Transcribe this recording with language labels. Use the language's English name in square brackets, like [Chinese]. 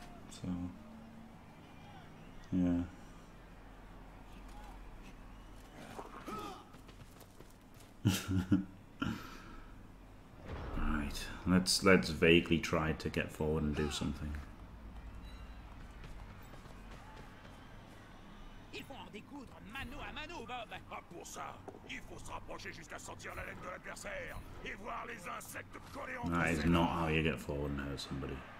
[English] So yeah. Right, let's vaguely try to get forward and do something. [French] Il faut en découdre mano à mano, Bob. Ah, pour ça, il faut s'approcher jusqu'à sentir la laine de l'adversaire et voir les insectes coller entre. [English] That is not how you get forward and hurt somebody.